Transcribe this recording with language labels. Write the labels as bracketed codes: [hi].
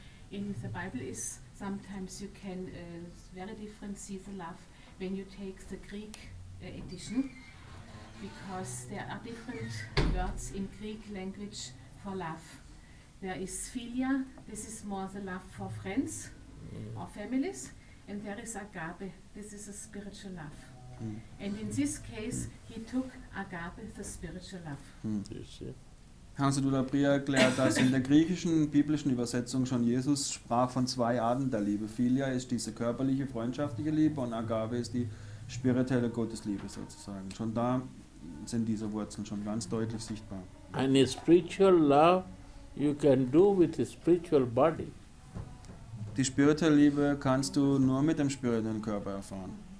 [en] In the Bible is sometimes you can very different see the love when you take the Greek edition, because there are different words in Greek language for love. There is philia, this is more the love for friends or families, and there is agape, this is a spiritual love. Mm. And in this case, he took agape, the spiritual love. [de] Hans Dula Priya erklärt, dass in der griechischen biblischen Übersetzung schon Jesus sprach von zwei Arten der Liebe. Philia ist diese körperliche, freundschaftliche Liebe und agape ist die spirituelle Gottesliebe sozusagen. Schon da sind diese Wurzeln schon ganz deutlich sichtbar. [en] Eine spiritual love you can do with the spiritual body. [de] Die spirituelle Liebe kannst du nur mit dem spirituellen Körper erfahren.